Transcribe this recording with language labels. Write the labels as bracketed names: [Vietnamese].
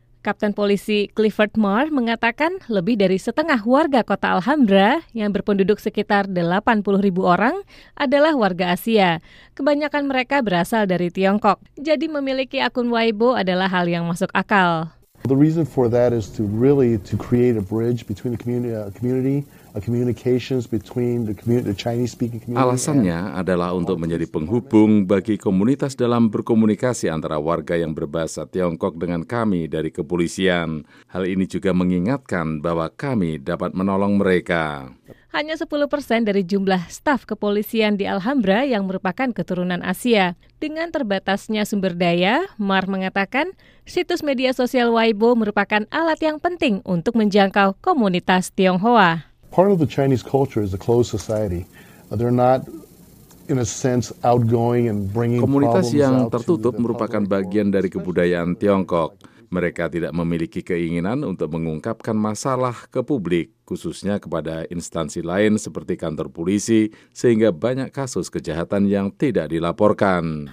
[Indonesian] Kapten polisi Clifford Moore mengatakan lebih dari setengah warga kota Alhambra yang berpenduduk sekitar 80 ribu orang adalah warga Asia. Kebanyakan mereka berasal dari Tiongkok. Jadi memiliki akun Weibo adalah hal yang masuk akal. [English] The reason for that is to really to create a bridge between the community. Communications between the Chinese-speaking community. [Indonesian] Alasannya adalah untuk menjadi penghubung bagi komunitas dalam berkomunikasi antara warga yang berbahasa Tiongkok dengan kami dari kepolisian. Hal ini juga mengingatkan bahwa kami dapat menolong mereka. Hanya 10% dari jumlah staf kepolisian di Alhambra yang merupakan keturunan Asia. Dengan terbatasnya sumber daya, Mar mengatakan situs media sosial Weibo merupakan alat yang penting untuk menjangkau komunitas Tionghoa. [English] Part of the Chinese culture is a closed society. They're not, in a sense, outgoing and bringing. [Indonesian] Komunitas yang tertutup merupakan bagian dari kebudayaan Tiongkok. Mereka tidak memiliki keinginan untuk mengungkapkan masalah ke publik, khususnya kepada instansi lain seperti kantor polisi, sehingga banyak kasus kejahatan yang tidak dilaporkan.